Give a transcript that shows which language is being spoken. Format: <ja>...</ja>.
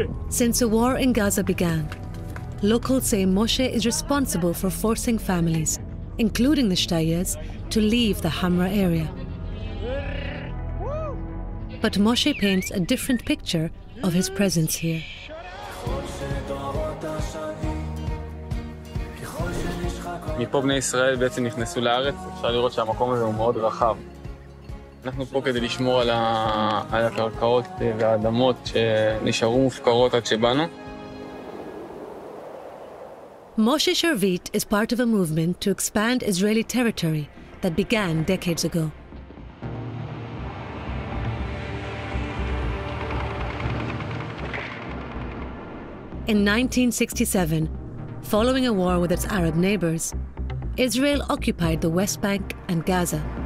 <en>Since the war in Gaza began, locals say Moshe is responsible for forcing families, including the Shtayas, to leave the Hamra area. But Moshe paints a different picture of his presence here.</en> <he>מפה בני ישראל בעצם נכנסו לארץ, אפשר לראות שהמקום הזה הוא מאוד רחב. אנחנו פה כדי לשמור על הקרקעות והאדמות שנשארו מופקרות עד שבאנו.</he> <en>Moshe Sharvit is part of a movement to expand Israeli territory that began decades ago. In 1967, following a war with its Arab neighbors, Israel occupied the West Bank and Gaza.</en>